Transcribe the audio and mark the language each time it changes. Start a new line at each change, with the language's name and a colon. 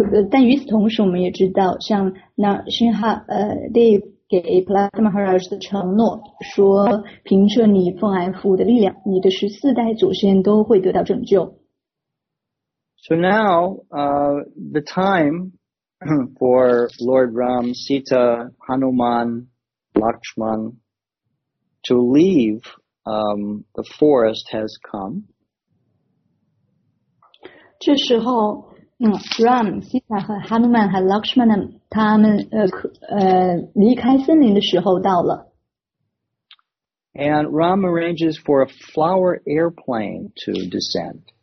Chinese: 但与此同时，我们也知道，像那辛哈利给 Prahlad Maharaj 的承诺，说凭着你奉爱服务的力量，你的十四代祖先都会得到拯救。
English: So now, the time for Lord Ram, Sita, Hanuman, Lakshman to leave, the forest has come.
Chinese: 这时候，Ram, Sita 和 Hanuman 和 Lakshman 他们离开森林的时候到了。
English: And Ram arranges for a flower airplane to descend.